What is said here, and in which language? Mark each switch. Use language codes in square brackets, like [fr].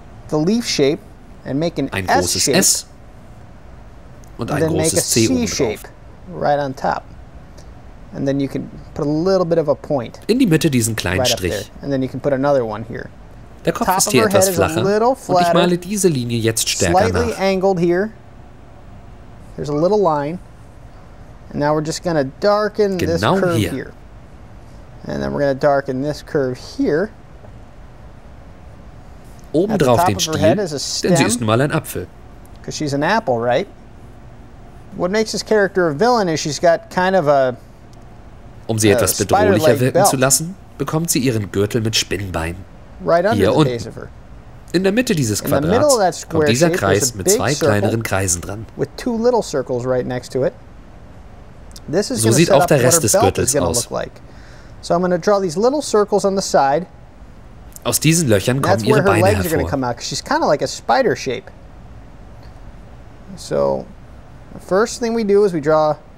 [de] Ein großes S und ein großes C oben drauf. In die Mitte diesen kleinen Strich. Der Kopf ist hier etwas flacher und ich male diese Linie jetzt stärker nach. [en] Angled here. There's a little line. And now we're just gonna darken this curve here. And then we're gonna darken this curve here. [de] Oben drauf den Stiel, denn sie ist nun mal ein Apfel. [en] Because she's an apple, right? What makes this character a villain is she's got kind of a. [de] Um sie etwas bedrohlicher wirken zu lassen, bekommt sie ihren Gürtel mit Spinnenbeinen. [en] Right under [de] hier [en] the base of her. [de] In der Mitte dieses Quadrats kommt dieser Kreis mit zwei kleineren Kreisen dran. [en] With two little circles right next to it. This is [de] so sieht auch der Rest des Gürtels aus. [en] Like. So I'm going to draw these little circles on the side. [de] Aus diesen Löchern kommen ihre Beine hervor. [en] Gonna come out, she's kind of like a spider shape. So the first thing we do is we draw.